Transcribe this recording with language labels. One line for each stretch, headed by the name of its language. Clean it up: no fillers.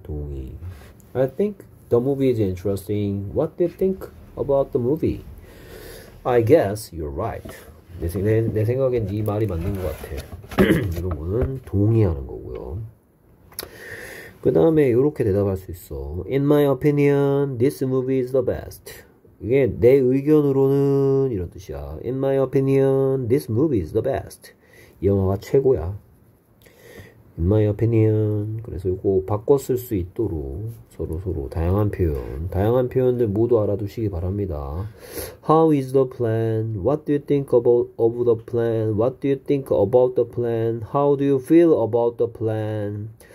English: 동의. I think the movie is interesting. What do you think about the movie? I guess you're right.
Korean: 내 생각엔 네 말이 맞는 것 같아. 이런 거는 동의하는 거고요. 그 다음에 이렇게 대답할 수 있어.
English: In my opinion, this movie is the best.
Korean: 이게 내 의견으로는 이런 뜻이야.
English: In my opinion, this movie is the best.
Korean: 이 영화가 최고야.
English: In my opinion.
Korean: 그래서 이거 바꿔 쓸수 있도록 서로서로 다양한 표현. 다양한 표현들 모두 알아두시기 바랍니다.
English: How is the plan? What do you think of the plan? What do you think about the plan? How do you feel about the plan?